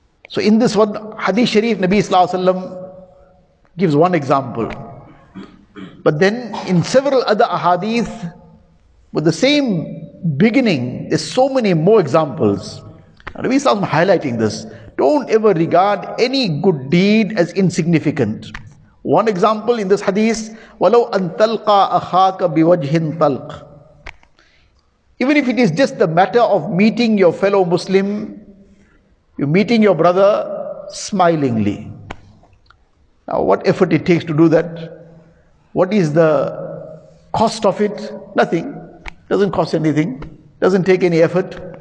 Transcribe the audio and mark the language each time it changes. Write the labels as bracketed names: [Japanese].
[English] So in this one hadith sharif, Nabi sallallahu alaihi wasallam gives one example, but then in several other ahadith with the same beginning, there's so many more examples. Nabi sallallahu alaihi wasallam highlighting this. Don't ever regard any good deed as insignificant. One example in this hadith, [Arabic] وَلَوْ أَن تَلْقَى أَخَاكَ بِوَجْهٍ طَلْقٍ. [English] Even if it is just the matter of meeting your fellow Muslim, you're meeting your brother smilingly. Now what effort it takes to do that? What is the cost of it? Nothing. Doesn't cost anything. Doesn't take any effort.